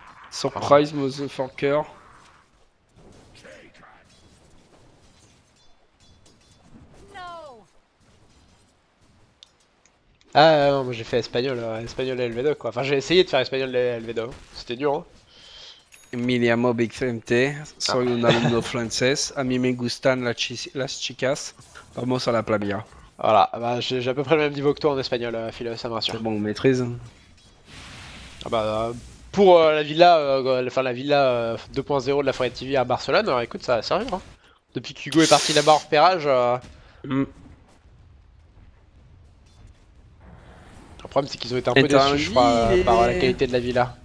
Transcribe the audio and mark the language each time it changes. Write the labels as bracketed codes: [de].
[en] Surprise, ah. Motherfucker. [fr] Ah non, moi j'ai fait espagnol LV2 quoi. Enfin, j'ai essayé de faire espagnol LV2, c'était dur hein. [es] Emiliano BXMT, soy un alumno francés, a mí me gustan las chicas, vamos a la playa. [fr] Voilà, bah, j'ai à peu près le même niveau que toi en espagnol, Philo, ça me rassure. C'est bon, on maîtrise. Ah bah, pour la villa, enfin la villa 2.0 de la Forêt TV à Barcelone, écoute, ça va servir hein. Depuis que Hugo est parti là-bas en repérage. Le problème c'est qu'ils ont été un peu déçus, je crois, par la qualité de la villa.